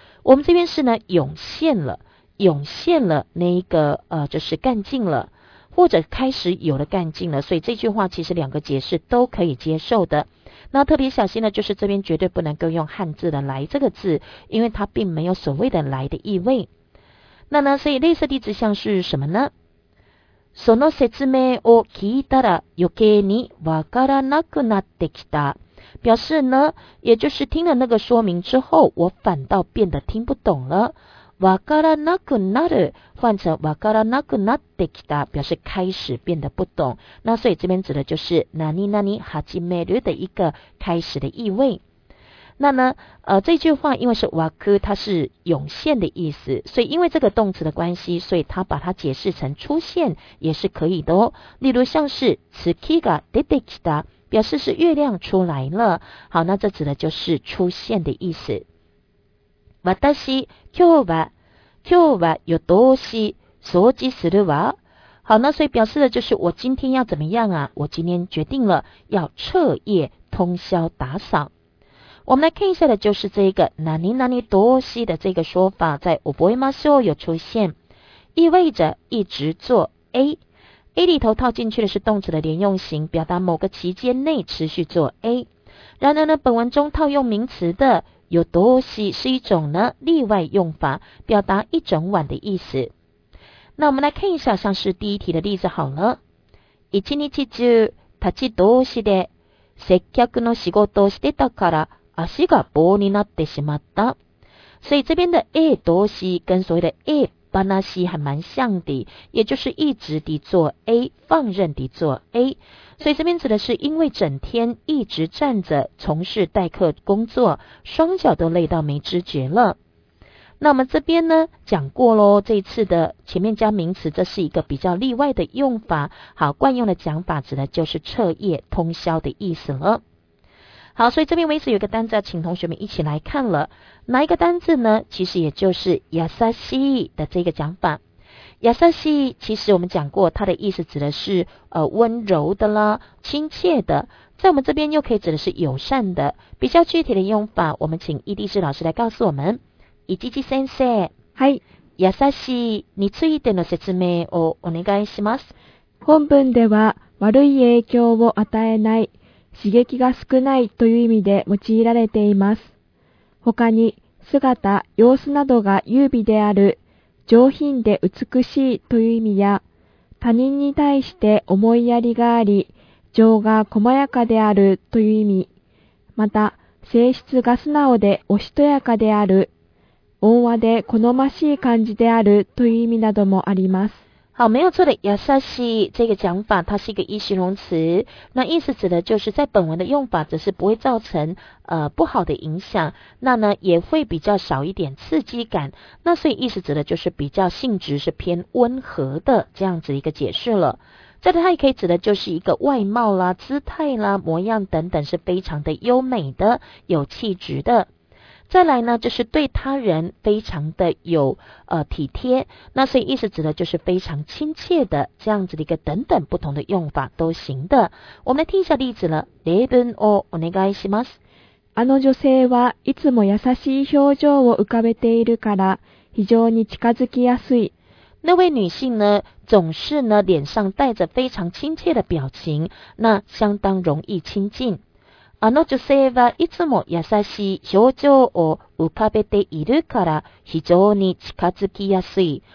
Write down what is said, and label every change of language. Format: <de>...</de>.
<zh>我们这边是呢涌现了，涌现了那一个就是干劲了，或者开始有了干劲了，所以这句话其实两个解释都可以接受的。那特别小心的就是这边绝对不能够用汉字的来这个字，因为它并没有所谓的来的意味。那呢，所以类似地址像是什么呢？</zh> <ja>その説明を聞いたら余計にわからなくなってきた。</ja> <zh>表示呢，也就是听了那个说明之后，我反倒变得听不懂了。</zh> <ja>わからなくなる</ja> <zh>换成わからなくなってきた，表示开始变得不懂。那所以这边指的就是なになに始める的一个开始的意味。那呢这句话因为是わく，它是涌现的意思，所以因为这个动词的关系，所以它把它解释成出现也是可以的哦。例如像是</zh> <ja>月が出てきた，</ja> <zh>表示是月亮出来了。好，那这指的就是出现的意思。</zh> <ja>私今日は夜通し掃除するわ。</ja> <zh>好，那所以表示的就是我今天要怎么样啊，我今天决定了要彻夜通宵打扫。我们来看一下的就是这个何々通し的这个说法，在覚えましょう有出现，意味着一直做 A 里头套进去的是动词的连用型，表达某个期间内持续做 A。然而呢，本文中套用名词的有多西是一种呢例外用法，表达一整晚的意思。那我们来看一下像是第一题的例子好了。</zh> <ja>一日中立ち通しで接客の仕事をしてたから足が棒になってしまった。</ja> <zh>所以这边的 A 多西跟所谓的 A 巴那西还蛮像的，也就是一直地做 A， 放任地做 A。所以这边指的是因为整天一直站着从事代课工作，双脚都累到没知觉了。那我们这边呢讲过咯，这一次的前面加名词，这是一个比较例外的用法。好，惯用的讲法指的就是彻夜通宵的意思了。好，所以这边为止有一个单字要请同学们一起来看了，哪一个单字呢？其实也就是やさしい的这个讲法。やさしい其实我们讲过它的意思指的是温柔的啦，亲切的，在我们这边又可以指的是友善的。比较具体的用法，我们请伊地志老师来告诉我们。伊地志先生，</zh> <ja>はい、やさしいについての説明をお願いします。本文では悪い影響を与えない、刺激が少ないという意味で用いられています。他に姿様子などが優美である、上品で美しいという意味や、他人に対して思いやりがあり、情が細やかであるという意味、また、性質が素直でおしとやかである、温和で好ましい感じであるという意味などもあります。</ja> <zh>好，没有错的，やさしい这个讲法，它是一个一形容词，那意思指的就是在本文的用法则是不会造成不好的影响，那呢也会比较少一点刺激感，那所以意思指的就是比较性质是偏温和的这样子一个解释了。这个态可以指的就是一个外貌啦、姿态啦、模样等等是非常的优美的、有气质的。再来呢，就是对他人非常的有体贴，那所以意思指的就是非常亲切的这样子的一个等等不同的用法都行的。我们来听一下例子了。</zh> <ja>例文をお願いします。あの女性はいつも優しい表情を浮かべているから非常に近づきやすい。</ja> <zh>那位女性呢，总是呢脸上带着非常亲切的表情，那相当容易亲近。</zh> <ja>あの女性はいつも優しい表情を浮かべているから非常に近づきやすい。</ja>